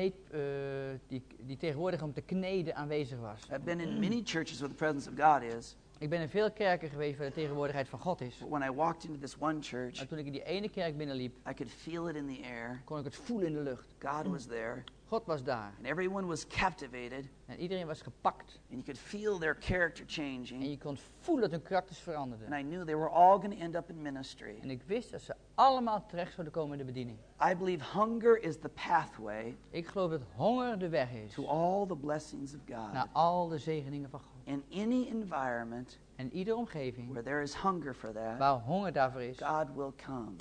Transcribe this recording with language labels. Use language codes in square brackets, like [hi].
[nl] Waar die tegenwoordig om te kneden aanwezig was. [en] I've been in many churches where the presence of God is. [nl] Ik ben in veel kerken geweest waar de tegenwoordigheid van God is. [en] When I walked into this one church, [nl] maar toen ik in die ene kerk binnenliep, [en] I could feel it in the air. [nl] Kon ik het voelen in de lucht. [en] God was there. [nl] God was daar. [en] And everyone was captivated. [nl] En iedereen was gepakt. [en] And you could feel their character changing. [nl] En je kon voelen dat hun karakters veranderden. [en] And I knew they were all going to end up in ministry. [nl] En ik wist dat ze allemaal terecht zouden komen in de bediening. [en] I believe hunger is the pathway. [nl] Ik geloof dat honger de weg is. [en] To all the blessings of God. [nl] Naar al de zegeningen van God. [en] In any environment. [nl] En iedere omgeving. [en] Where there is hunger for that. [nl] Waar honger daarvoor is. [en] God will come.